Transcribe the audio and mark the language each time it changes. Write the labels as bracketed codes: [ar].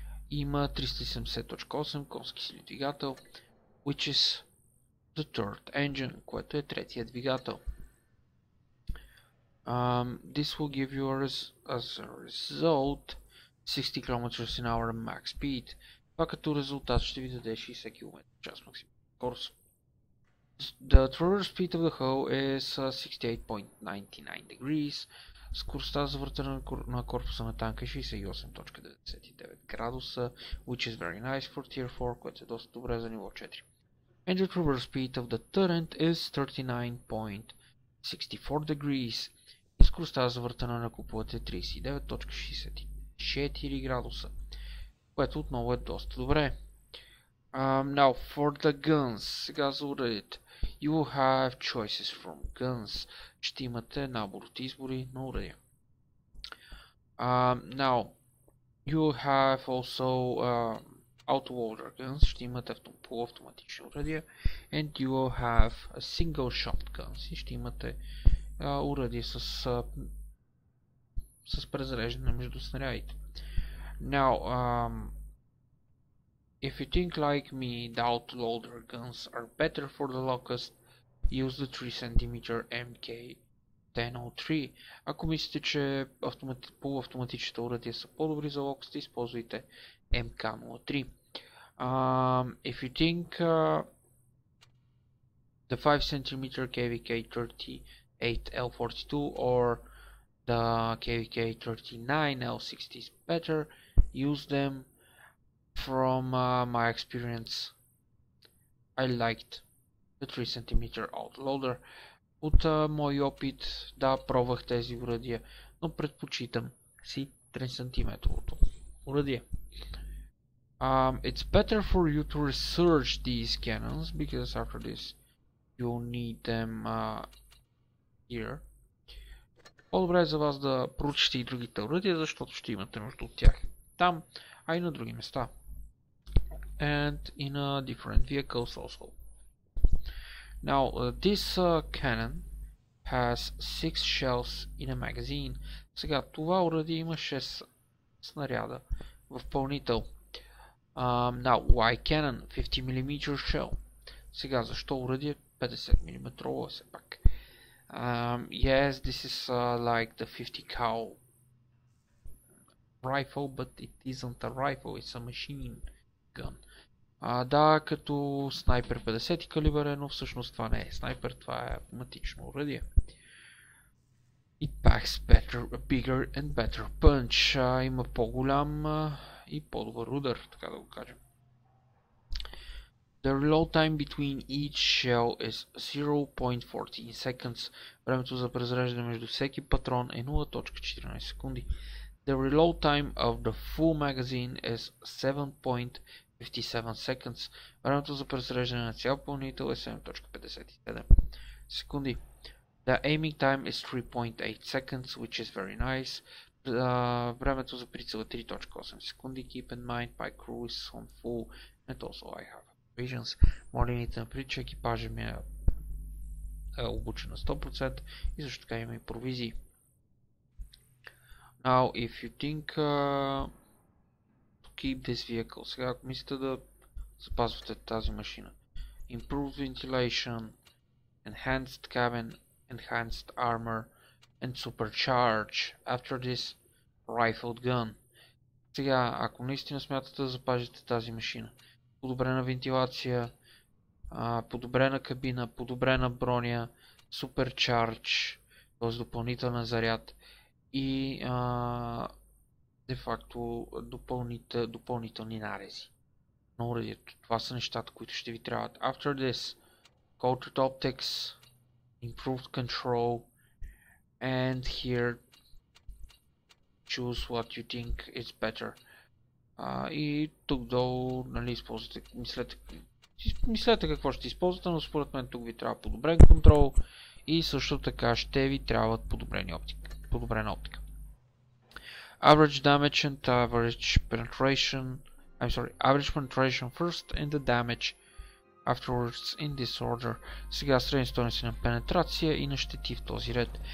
[bg] Има 370.8 конски сили двигател, [en] which is the third engine, [bg] което е третия двигател. [en] This will give you as a result 60 km an hour max speed. [bg] Това като резултат ще ви даде 60 км час максимум скорост. [en] The traverse speed of the hull is 68.99 degrees. [bg] Скоростта за въртене на корпуса на танка е 68.99 градуса, [en] which is very nice for tier 4, [bg] което е доста добре за ниво 4. [en] And the traverse speed of the turret is 39.64 degrees. [bg] И скоростта за въртене на куполата е 39.64 градуса, което отново е доста добре. [en] Now for the guns, [bg] сега за уредите. [en] You will have choices from guns. [bg] Ще имате набор от избори на уръдия. [en] Now, you will have also auto-loader guns. [bg] Ще имате полуавтоматични уръдия. [en] And you will have a single shot guns. [bg] Ще имате уръдия с презареждане между снарядите. [en] Now, if you think like me, the auto-loader guns are better for the Locust, use the 3cm MK-1003. [bg] Ако мислите, че полуавтоматичните уръдия са по-добри за Locust, използвайте MK-03. [en] If you think the 5cm KVK-38L42 or the KVK-39L60 is better, use them. From my experience, I liked the 3cm autoloader. [bg] От мой опит, да, пробвах тези уръдия, но предпочитам си 3cm-овото уръдие. [en] It's better for you to research these cannons, because after this you'll need them here. [bg] По-добре е за вас да проучите и другите уръдия, защото ще имате нужда от тях там, а и на други места. [en] And in a different vehicles also. Now this cannon has 6 shells in a magazine. [bg] Сега това оръдие има 6 снаряда в пълнител. [en] Now why cannon 50mm shell? [bg] Сега защо оръдие 50mm все пак? [en] Yes, this is like the 50 cal rifle, but it isn't a rifle, it's a machine gun. [bg] Да, като снайпер 50 калибър, но всъщност това не е снайпер, това е автоматично уръдие. [en] It packs better, a bigger and better punch. [bg] Има по-голям и подвор удар, така да го кажем. [en] The reload time between each shell is 0.14 seconds. [bg] Времето за презареждане между всеки патрон е 0.14 секунди. [en] The reload time of the full magazine is 7.57 seconds. [bg] Времето за презареждане на цял пълнител е 7.57 секунди. [en] The aiming time is 3.8 seconds, which is very nice. [bg] Времето за прицел е 3.8 секунди. [en] Keep in mind, my crew is on full and also I have provisions. [bg] Молините на прича, екипажа ми е обучен на 100% и също така има и провизии. [en] Now, if you think to keep this vehicle, [bg] сега ако мислите да запазвате тази машина, [en] improve ventilation, enhanced cabin, enhanced armor, and supercharge after this rifled gun. [bg] Сега, ако наистина смятате да запазите тази машина, подобрена вентилация, подобрена кабина, подобрена броня, supercharge, т.е. допълнителен заряд, и де-факто допълнителни нарези на уредието. Това са нещата, които ще ви трябват. [en] After this, coated optics, improved control, and here, choose what you think is better. [bg] И тук долу, нали, използвате, мислете какво ще използвате, но според мен тук ви трябва подобрен контрол и също така ще ви трябват подобрени оптики. Подобрена оптика. [en] Average damage and average penetration. I'm sorry, average penetration first and the damage afterwards in this order. [bg] Сега средни стойности на пенетрация и на щети в този ред.